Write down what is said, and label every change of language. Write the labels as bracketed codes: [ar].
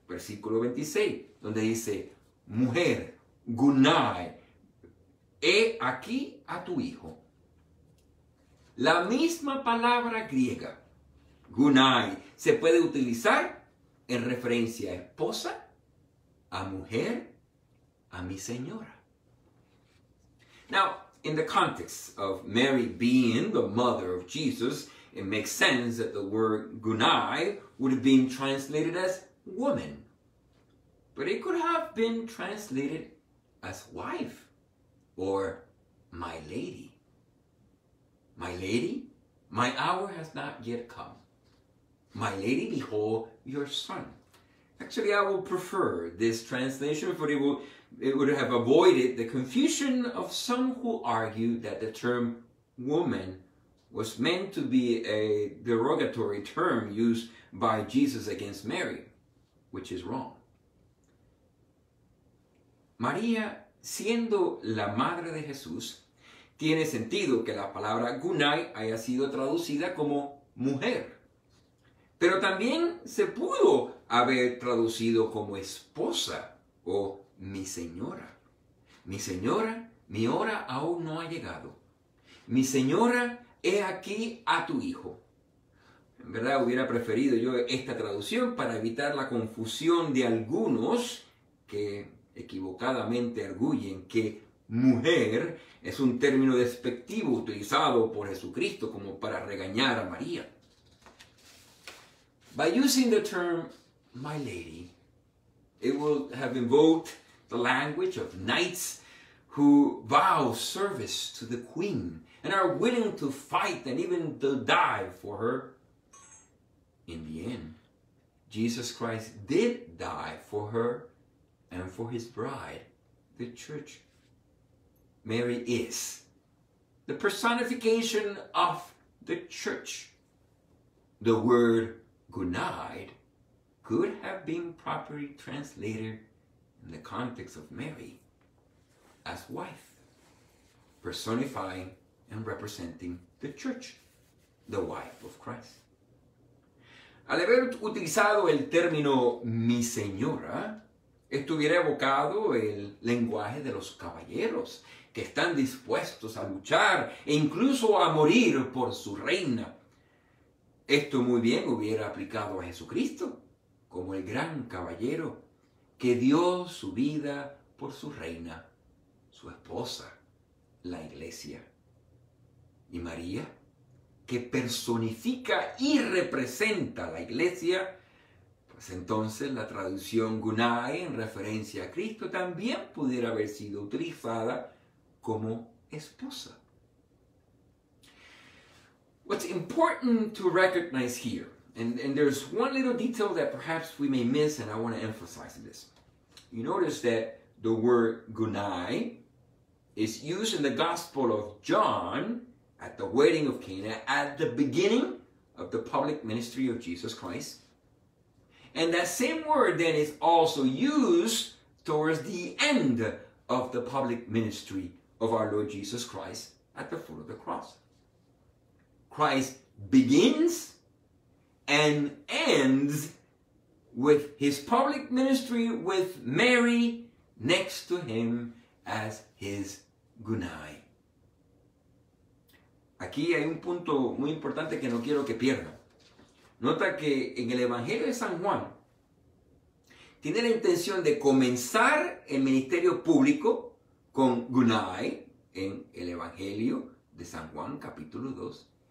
[es] Versículo 26, donde dice, mujer, gunai, he aquí a tu hijo. La misma palabra griega, gunai, se puede utilizar en referencia a esposa, a mujer, a mi señora. [en] Now, in the context of Mary being the mother of Jesus, it makes sense that the word gunai would have been translated as woman. But it could have been translated as wife or my lady. My lady, my hour has not yet come. My lady, behold your son. Actually, I would prefer this translation, for it would have avoided the confusion of some who argue that the term woman was meant to be a derogatory term used by Jesus against Mary, which is wrong. [es] María, siendo la madre de Jesús, tiene sentido que la palabra gunai haya sido traducida como mujer. Pero también se pudo haber traducido como esposa o mi señora. Mi señora, mi hora aún no ha llegado. Mi señora, he aquí a tu hijo. En verdad hubiera preferido yo esta traducción para evitar la confusión de algunos que equivocadamente arguyen que mujer es un término despectivo utilizado por Jesucristo como para regañar a María. [en] By using the term my lady, it would have invoked the language of knights who vow service to the queen and are willing to fight and even to die for her. In the end, Jesus Christ did die for her and for his bride, the church. Mary is the personification of the church. The word gunaid could have been properly translated in the context of Mary as wife, personifying and representing the church, the wife of Christ. [es] Al haber utilizado el término mi señora, estuviera evocado el lenguaje de los caballeros que están dispuestos a luchar e incluso a morir por su reina. Esto muy bien hubiera aplicado a Jesucristo como el gran caballero que dio su vida por su reina, su esposa, la iglesia. Y María, que personifica y representa a la iglesia, pues entonces la traducción gunai en referencia a Cristo también pudiera haber sido utilizada como esposa. [en] What's important to recognize here, and there's one little detail that perhaps we may miss, and I want to emphasize this. You notice that the word gunai is used in the Gospel of John at the wedding of Cana at the beginning of the public ministry of Jesus Christ. And that same word then is also used towards the end of the public ministry of our Lord Jesus Christ at the foot of the cross. Christ begins and ends with his public ministry with Mary next to him as his gunai. [es] Aquí hay un punto muy importante que no quiero que pierda. Nota que en el Evangelio de San Juan tiene la intención de comenzar el ministerio público con gunai en el Evangelio de San Juan capítulo 2.